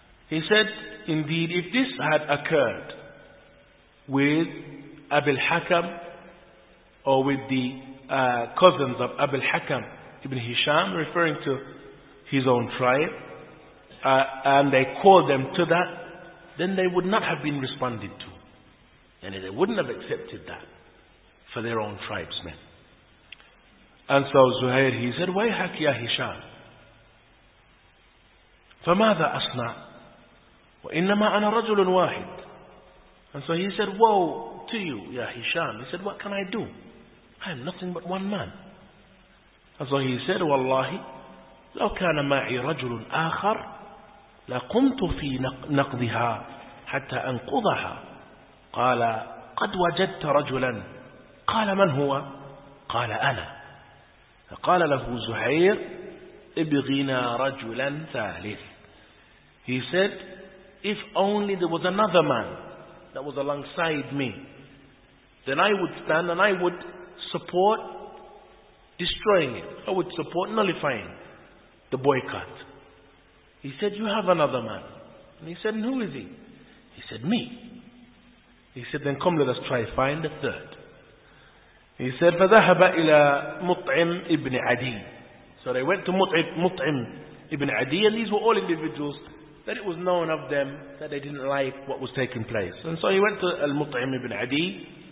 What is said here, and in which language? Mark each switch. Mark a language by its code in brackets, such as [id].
[en] He said, indeed, if this had occurred with Abil Hakam or with the cousins of Abil Hakam ibn Hisham, referring to his own tribe, and they called them to that, then they would not have been responded to. And they wouldn't have accepted that for their own tribesmen. And so Zuhair, he said, [ar] وَيْحَكْ يَا هِشَامِ فَمَاذَا أَصْنَعْ وَإِنَّمَا أَنَا رَجُلٌ وَاحِدٌ. [en] And so he said, woe to you, Ya Hisham. He said, what can I do? I am nothing but one man. And so he said, [ar] وَاللَّهِ لَوْ كَانَ مَعِي رَجُلٌ آخَرٌ لَقُمْتُ فِي نَقْضِهَا حَتَّى أَنْقُضَهَا. قَالَ قَدْ وَجَدْتَ رَجُلًا. قَالَ مَنْ هُوَ. قَالَ أَنَا. فَقَالَ لَهُ زُحَيْرُ ابْغِنَا رَجُلًا ثَالِثًا. [en] He said, if only there was another man that was alongside me, then I would stand and I would support destroying it. I would support nullifying the boycott. He said, you have another man. And he said, and who is he? He said, me. He said, then come, let us try to find a third. He said, [ar] فَذَهَبَ إِلَىٰ مُطْعِمْ إِبْنِ عَدِيٍ. [en] So they went to مُطْعِمْ إِبْنِ عَدِيٍ, and these were all individuals that it was known of them that they didn't like what was taking place. And so he went to Al-Mut'im ibn Adi.